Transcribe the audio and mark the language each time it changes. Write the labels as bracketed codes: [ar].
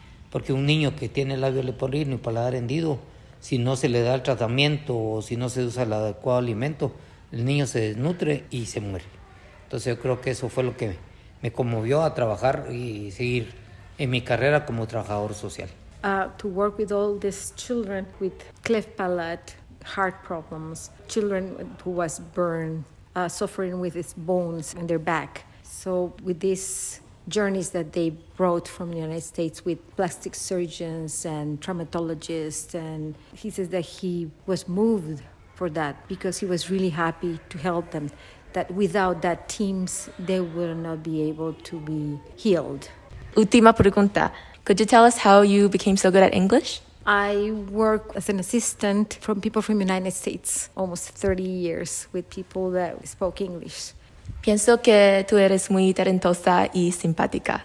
[es] Porque un niño que tiene labio leporino y paladar hendido, si no se le da el tratamiento o si no se usa el adecuado alimento, el niño se desnutre y se muere. Entonces yo creo que eso fue lo que me conmovió a trabajar y seguir en mi carrera como trabajador social. [en] To work with all these children with cleft palate, heart problems, children who was burned, suffering with his bones in their back. So with these journeys that they brought from the United States with plastic surgeons and traumatologists, and he says that he was moved for that because he was really happy to help them, that without that teams, they would not be able to be healed. [es] Última pregunta. [en] Could you tell us how you became so good at English? I work as an assistant from people from the United States, almost 30 years with people that spoke English. [es] Pienso que tú eres muy talentosa y simpática.